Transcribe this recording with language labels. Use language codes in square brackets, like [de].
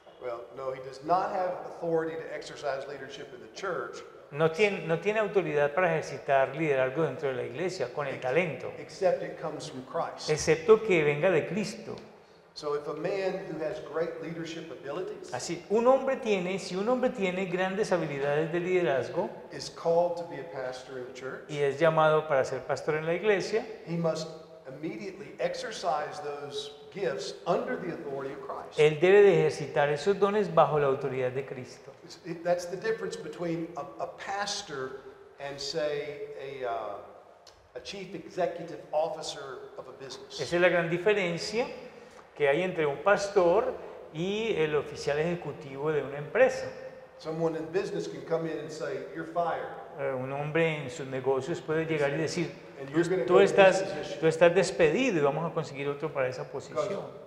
[en] Well, no, he does not have authority to exercise leadership in the church. [es] No tiene autoridad para ejercitar liderazgo dentro de la iglesia con el talento. [en] Except it comes from Christ. [es] Excepto que venga de Cristo. [en] So if a man who has great leadership abilities, [es] así, si un hombre tiene grandes habilidades de liderazgo, [en] is called to be a pastor in the church, [es] y es llamado para ser pastor en la iglesia, [en] he must immediately exercise those gifts under the authority of Christ. [es] Él debe de ejercitar esos dones bajo la autoridad de Cristo. [en] That's the difference between a pastor and say a chief executive officer of a business. [es] Esa es la gran diferencia que hay entre un pastor y el oficial ejecutivo de una empresa. [en] Someone in business can come in and say, "You're fired." [es] Un hombre en sus negocios puede llegar y decir, tú estás despedido y vamos a conseguir otro para esa posición.